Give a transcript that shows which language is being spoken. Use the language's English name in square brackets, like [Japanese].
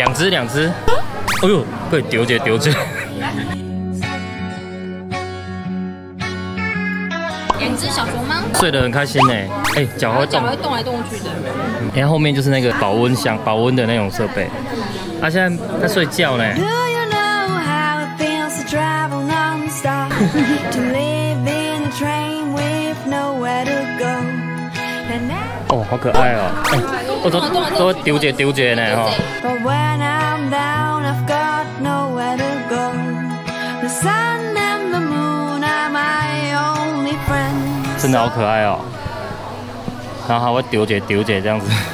[Chinese] 两只，哎呦，快丢着丢着。小熊猫睡得很开心呢，哎，脚会动，脚会动来动去的。然后后面就是那个保温箱，保温的那种设备。他现在在睡觉呢。 [English] Do you know how it feels to travel nonstop? To live in a train with nowhere to go. [Chinese] 哦，好可爱哦！我都丢姐丢姐呢哈。 [English] But when I'm down, I've got nowhere to go. The sun and the moon are my only friends. [Chinese] 真的好可爱哦，然后还会丢姐丢姐这样子，